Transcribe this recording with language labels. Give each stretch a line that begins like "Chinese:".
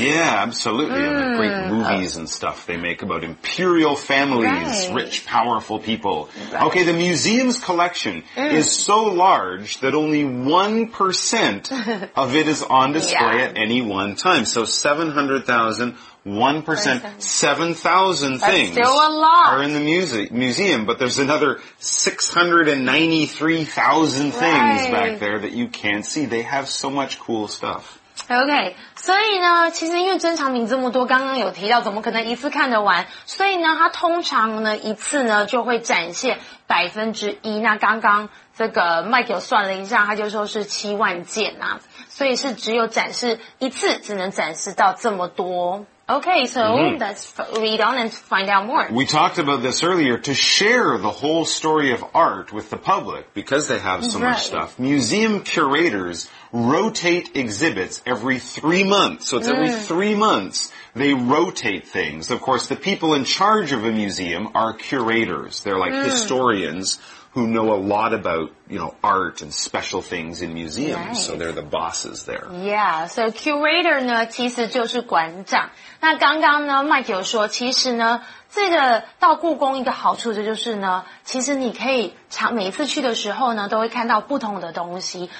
English: yeah absolutely and the great movies and stuff they make about imperial families rich powerful people okay the museum's collectionis so large that only 1% of it is on display at any one time. So 700,000, 1%, 7,000 things are in the museum, but there's another 693,000 things back there that you can't see. They have so much cool stuff.
Chinese: OK, 所以呢其实因为珍藏品这么多刚刚有提到怎么可能一次看得完所以呢它通常呢一次呢就会展现1%那刚刚这个 Mike 有算了一下，他就说是70,000件啊，所以是只有展示一次，只能展示到这么多。
English: Okay, so let's read on and find out more. We talked about this earlier, to share the whole story of art with the public, because they have so much stuff. Museum curators rotate exhibits every 3 months. So it's every 3 months they rotate things. Of course, the people in charge of a museum are curators. They're like historians who know a lot about, you know, art and special things in museums. Nice. So they're the bosses there. Yeah, so
Chinese: curator 呢其实就是馆长。那刚刚呢 Mike 有说其实呢这个到故宫一个好处就是呢其实你可以每次去的时候呢都会看到不同的东西。